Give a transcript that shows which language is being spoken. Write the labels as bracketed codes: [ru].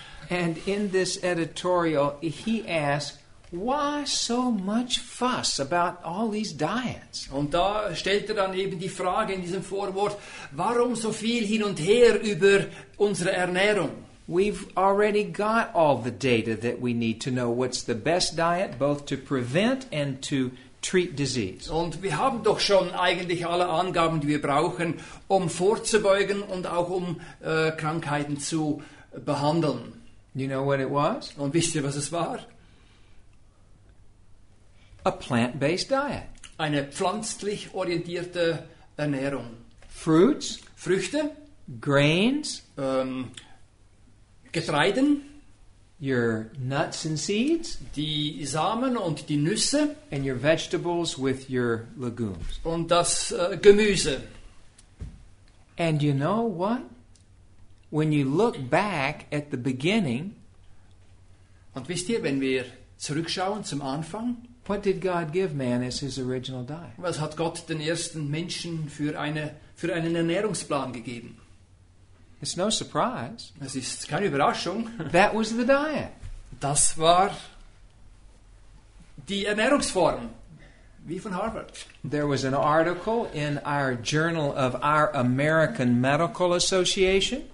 [en] And in this editorial he asked, why so much fuss about all these diets? [de] Und da stellt er dann eben die Frage in diesem Vorwort, warum so viel hin und her über unsere Ernährung? [en] We've already got all the data that we need to know what's the best diet, both to prevent and to treat disease. [de] Und wir haben doch schon eigentlich alle Angaben, die wir brauchen, um vorzubeugen und auch um Krankheiten zu behandeln. [en] You know what it was? [de] Und wisst ihr, was es war? [en] A plant-based diet. [de] Eine pflanzlich orientierte Ernährung. [en] Fruits. [de] Früchte. [en] Grains. [de] Getreiden, [en] your nuts and seeds, [de] die Samen und die Nüsse, [en] and your vegetables with your legumes, [de] und das Gemüse. [en] And you know what? When you look back at the beginning, [de] und wisst ihr, wenn wir zurückschauen zum Anfang, [en] what did God give man as his original diet? [de] Was hat Gott den ersten Menschen für einen Ernährungsplan gegeben? [en] It's no surprise. [de] Es ist keine Überraschung. [en] That was the diet. [de] Das war die Ernährungsform, wie von Harvard. [en] There was an article in our journal of our American Medical Association.